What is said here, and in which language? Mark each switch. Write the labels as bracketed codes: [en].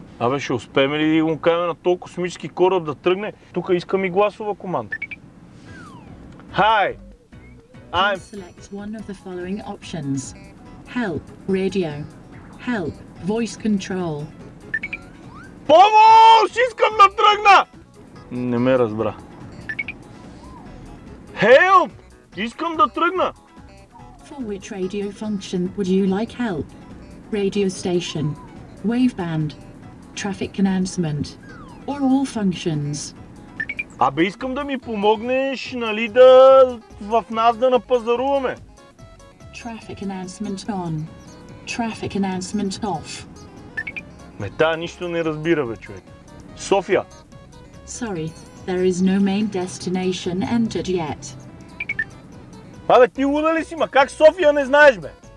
[bg] Абе, ще успеем ли да го кажем на този космически кораб да тръгне? Тук искам и гласова команда. Хай! I'm... [en] Select one of the following options. Help, radio. Help, voice control. [bg] Помощ! Искам да тръгна! Не ме разбра. Help! Искам да тръгна! [en] For which radio function would you like help? Radio station, wave band, traffic announcement, or all functions? [bg] Абе, искам да ми помогнеш, нали, да в нас да напазаруваме. [en] Traffic announcement on. Traffic announcement off. [bg] Мета, нищо не разбира, бе, човек. София! [en] Sorry, there is no main destination entered yet. [bg] Абе, ти луда ли си, ма как София не знаеш, бе?